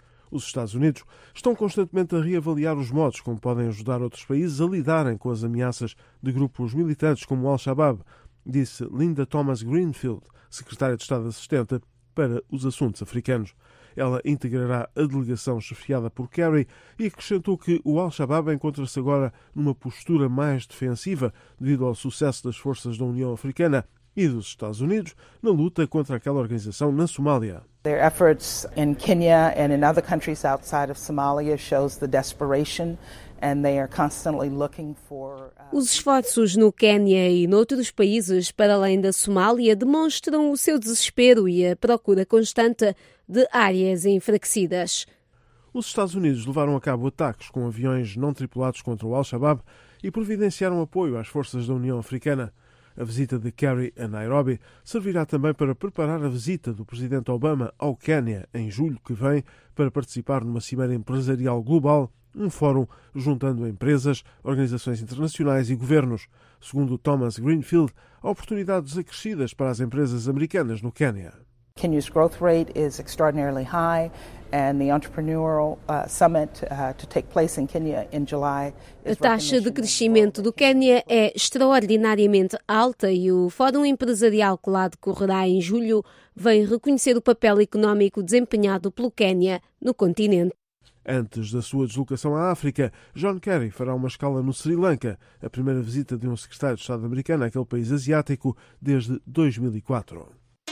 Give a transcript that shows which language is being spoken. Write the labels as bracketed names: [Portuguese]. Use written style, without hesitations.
[Portuguese] Os Estados Unidos estão constantemente a reavaliar os modos como podem ajudar outros países a lidarem com as ameaças de grupos militantes como o Al-Shabaab, disse Linda Thomas Greenfield, secretária de Estado assistente para os assuntos africanos. Ela integrará a delegação chefiada por Kerry e acrescentou que o Al-Shabaab encontra-se agora numa postura mais defensiva devido ao sucesso das forças da União Africana e dos Estados Unidos na luta contra aquela organização na Somália. [English] Their efforts in Kenya and in other countries outside of Somalia shows the desperation. [Portuguese] Os esforços no Quênia e noutros países para além da Somália demonstram o seu desespero e a procura constante de áreas enfraquecidas. Os Estados Unidos levaram a cabo ataques com aviões não tripulados contra o Al-Shabaab e providenciaram apoio às forças da União Africana. A visita de Kerry a Nairobi servirá também para preparar a visita do presidente Obama ao Quênia em julho que vem para participar numa cimeira empresarial global, um fórum juntando empresas, organizações internacionais e governos. Segundo Thomas Greenfield, há oportunidades acrescidas para as empresas americanas no Quênia. [English] Kenya's growth rate is extraordinarily high, and the entrepreneurial summit to take place in Kenya in July. [Portuguese] A taxa de crescimento do Quênia é extraordinariamente alta e o fórum empresarial que lá decorrerá em julho vem reconhecer o papel económico desempenhado pelo Quênia no continente. Antes da sua deslocação à África, John Kerry fará uma escala no Sri Lanka, a primeira visita de um secretário de Estado americano àquele país asiático desde 2004.